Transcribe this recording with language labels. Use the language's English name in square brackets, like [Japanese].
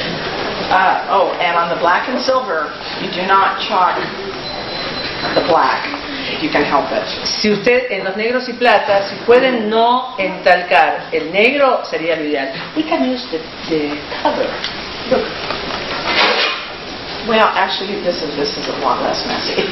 [English] And on the black and silver, you do not chalk the black. You can help it. [Spanish] Si usted en los negros y plata, si pueden no entalcar el negro, sería lo ideal. [English] We can use the cover. Look. Well, actually, this is a lot less messy.